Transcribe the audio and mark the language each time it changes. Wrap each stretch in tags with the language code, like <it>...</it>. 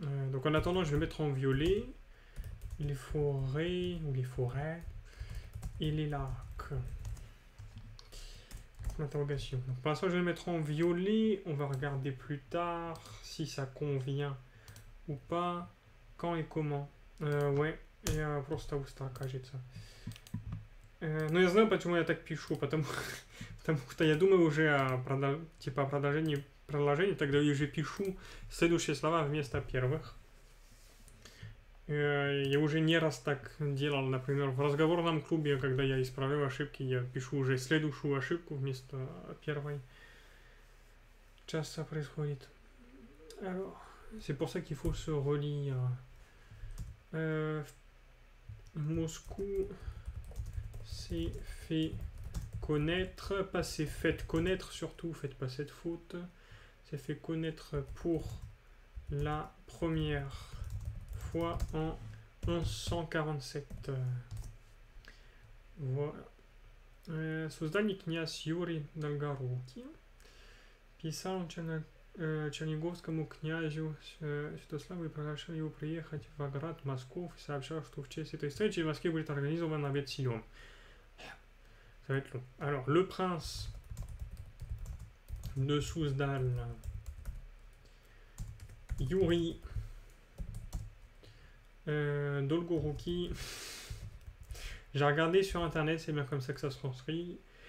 <fr>Donc, en attendant, je vais mettre en violet les forêts ou les forêts et les lacs. Interrogation. Donc, pour l'instant, je vais mettre en violet. On va regarder plus tard si ça convient ou pas. Quand et comment. Ouais.</fr> <ru>Я просто устал, кажется. Но я знаю, почему я так пишу. Потому что я думаю уже о продолжении приложения. Тогда я уже пишу следующие слова вместо первых. Я уже не раз так делал. Например, в разговорном клубе, когда я исправляю ошибки, я пишу уже следующую ошибку вместо первой. Часто происходит.</ru> <fr>C'est pour ça qu'il faut se relire. Moscou s'est fait connaître, pas s'est fait connaître surtout, faites pas cette faute, s'est fait connaître pour la première fois en 1147. Voilà.</fr> <ru>Создание князь Юрий Долгорукий писал Черниговскому князю Святославу и приглашал его приехать в Оград, Москву, и сообщал, что в честь этой встречи в Москве будет организован обед сием.</ru> <fr>Ça va être long. Alors, le prince de Souzdal, Yuri Dolgoruki, j'ai regardé sur internet, c'est bien comme ça que ça se transcrit.</fr>